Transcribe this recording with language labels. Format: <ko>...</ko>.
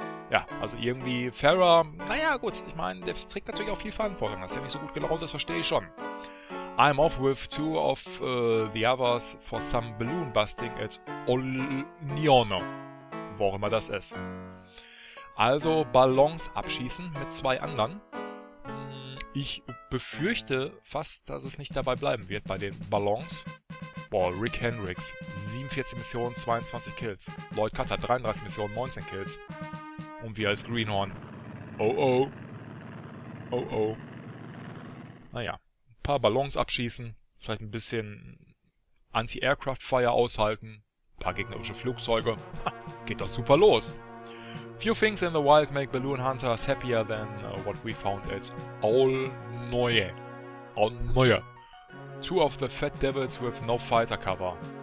<de>Ja, also irgendwie Farah, naja gut, ich meine, der trägt natürlich auch viel Verantwortung. Das ist ja nicht so gut gelaufen, das verstehe ich schon.</de> <en>I'm off with two of the others for some balloon busting at Olniono.</en> <de>Wo auch immer das ist. Also Ballons abschießen mit zwei anderen. Ich befürchte fast, dass es nicht dabei bleiben wird bei den Ballons. Boah, Rick Hendricks, 47 Missionen, 22 Kills. Lloyd Cutter, 33 Missionen, 19 Kills. Und wir als Greenhorn. Oh oh. Oh oh. Naja. Ein paar Ballons abschießen, vielleicht ein bisschen Anti-Aircraft-Fire aushalten, ein paar gegnerische Flugzeuge. Ha, geht doch super los.</de> <en>Few things in the wild make Balloon Hunters happier than what we found at Olniono. Olniono. Two of the fat devils with no fighter cover.</en>